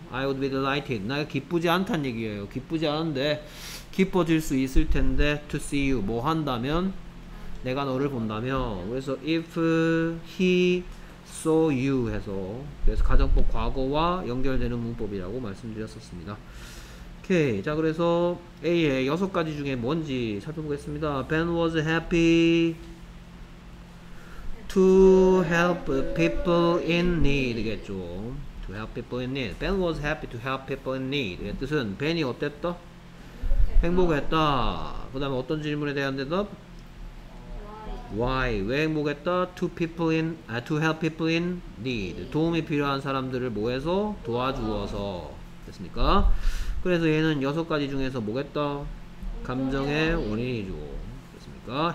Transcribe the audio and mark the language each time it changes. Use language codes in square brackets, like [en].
[en] I would be delighted [ko] 나 기쁘지 않단 얘기예요. 기쁘지 않은데 기뻐질 수 있을 텐데 [en] to see you [ko] 뭐 한다면 내가 너를 본다면 그래서 [en] if he saw you [ko] 해서 그래서 가정법 과거와 연결되는 문법이라고 말씀드렸었습니다. 오케이 자 그래서 A의 6가지 중에 뭔지 살펴보겠습니다. [en] Ben was happy to help people in need겠죠. To help people in need. Ben was happy to help people in need. [ko] 이 뜻은 Ben이 어땠다? 행복했다. 그 다음에 어떤 질문에 대한 대답? [en] Why? [ko] 왜 행복했다? [en] To help people in need. [ko] 도움이 필요한 사람들을 모여서 도와주어서 됐습니까? 그래서 얘는 6가지 중에서 뭐겠다? 감정의 원인이죠. 됐습니까?